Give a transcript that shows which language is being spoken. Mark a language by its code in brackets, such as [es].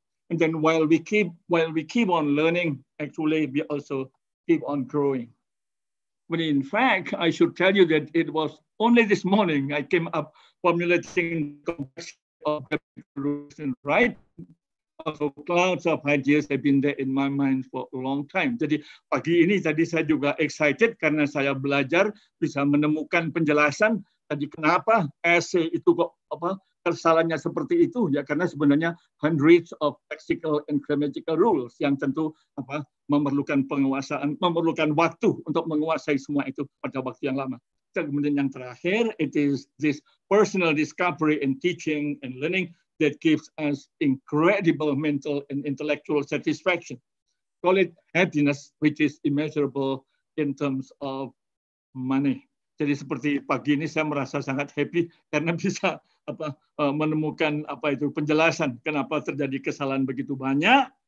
[en] And then while we keep on learning, actually we also keep on growing. But in fact, I should tell you that it was only this morning I came up formulating rules and right. So clouds of ideas have been there in my mind for a long time. [id] Jadi pagi ini tadi saya juga excited karena saya belajar bisa menemukan penjelasan tadi kenapa essay itu kok kesalahannya seperti itu, ya karena sebenarnya [en] hundreds of lexical and grammatical rules [id] yang tentu memerlukan penguasaan, memerlukan waktu untuk menguasai semua itu pada waktu yang lama. Kemudian yang terakhir, [en] it is this personal discovery in teaching and learning that gives us incredible mental and intellectual satisfaction. Call it happiness, which is immeasurable in terms of money. [id] Jadi seperti pagi ini saya merasa sangat happy karena bisa menemukan penjelasan kenapa terjadi kesalahan begitu banyak.